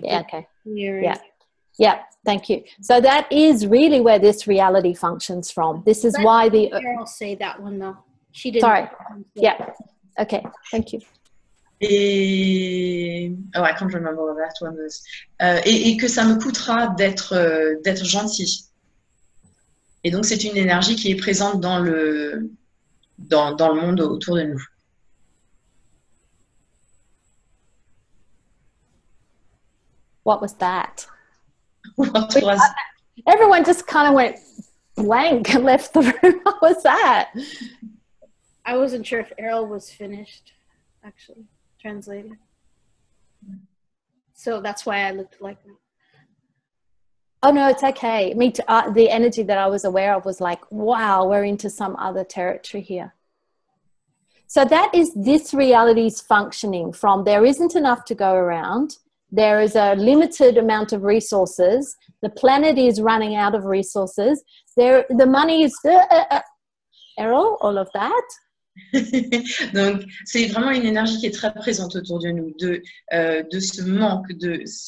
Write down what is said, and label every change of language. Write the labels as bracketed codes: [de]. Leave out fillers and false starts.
[en] did. Yeah, thank you. So that is really where this reality functions from. This is why the... I'll say that one though. She didn't. Sorry. Yeah. Okay. Thank you. [fr] Et... [en] Oh, I can't remember what that one was. [fr] Et que ça me coûtera d'être gentil. Et donc, c'est une énergie qui est présente dans le monde autour de nous. [en] What was that? What was... Everyone just kind of went blank and left the room. What was that? I wasn't sure if Eryl was finished, actually, translating. So that's why I looked like that. Oh, no, it's okay. Me too. The energy that I was aware of was like, wow, we're into some other territory here. So that is this reality's functioning from there isn't enough to go around. There is a limited amount of resources. The planet is running out of resources. The money is... Eryl, all of that? [fr] Donc, c'est vraiment une énergie qui est très présente autour de nous, de ce manque de...